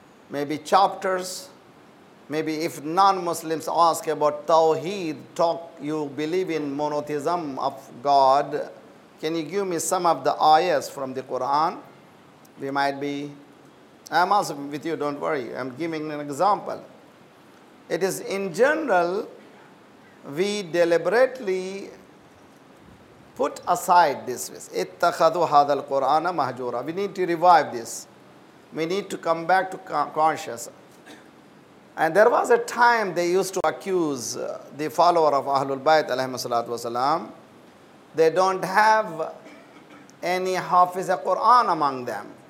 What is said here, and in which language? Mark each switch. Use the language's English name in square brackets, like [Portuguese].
[English] Maybe chapters, maybe if non-Muslims ask about Tawheed, talk, you believe in monotheism of God, can you give me some of the ayahs from the Quran? We might be, I'm also with you, don't worry, I'm giving an example. It is in general, we deliberately put aside this. [Arabic] اتخذوا هذا القرآن مهجورا. [English] We need to revive this. We need to come back to conscious. And there was a time they used to accuse the follower of Ahlul Bayt, alayhi salatu wasalam, they don't have any Hafiz al-Quran among them.